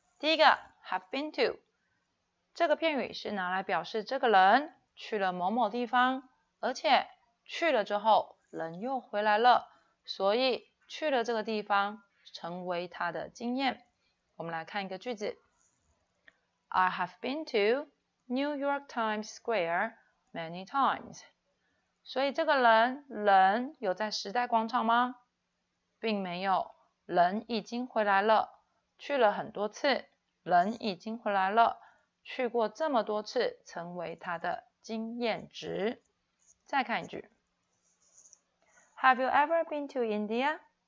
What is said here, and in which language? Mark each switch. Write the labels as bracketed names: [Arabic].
[Chinese] 第一个 have been to， 这个片语是拿来表示这个人去了某某地方，而且去了之后人又回来了，所以去了这个地方成为他的经验。我们来看一个句子。 [English] I have been to New York Times Square many times. [Chinese] 所以这个人有在时代广场吗？并没有，人已经回来了，去了很多次，人已经回来了，去过这么多次成为他的经验值。再看一句。 [English] Have you ever been to India?